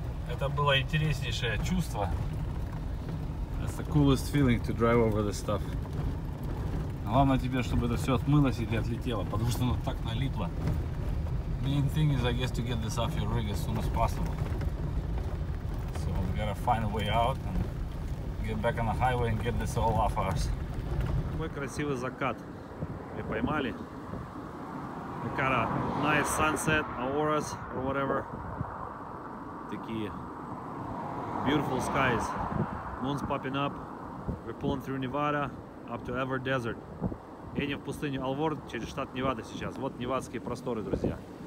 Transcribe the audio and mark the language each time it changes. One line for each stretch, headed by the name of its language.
Russian: Это было интереснейшее чувство.
English: That's the coolest feeling to drive over this stuff.
Russian: Главное тебе, чтобы это все отмылось или отлетело, потому что оно так налипло.
English: Main thing is, I guess, to get this off your rig as soon as possible. So we gotta find a way out and get back on the highway and get this all off us.
Russian: Какой красивый закат мы поймали.
English: We got a nice sunset, auroras or whatever.
Russian: Такие
English: beautiful skies. Moon's popping up. We're pulling through Nevada up to Ever Desert.
Russian: Едем в пустыню Алвор через штат Невада сейчас. Вот невадские просторы, друзья.